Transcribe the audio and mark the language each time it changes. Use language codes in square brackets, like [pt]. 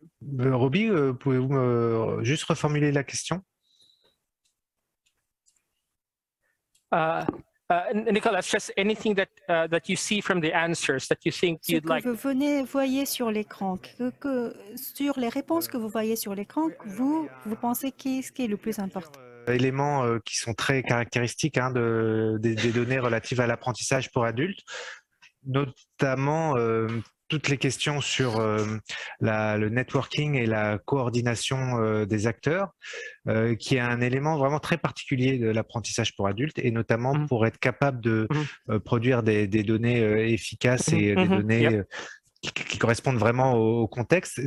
[fr] Roby, pouvez-vous juste reformuler la question? [en] Nicolas, just anything that that you see from the answers that you think you'd like. [fr] Ce que vous voyez sur l'écran, sur les réponses que vous voyez sur l'écran, vous pensez qu'est-ce qui est le plus important? Éléments qui sont très caractéristiques des données relatives à l'apprentissage pour adultes, notamment toutes les questions sur le networking et la coordination des acteurs, qui est un élément vraiment très particulier de l'apprentissage pour adultes, et notamment pour être capable de produire des données efficaces et des données qui correspondent vraiment au contexte.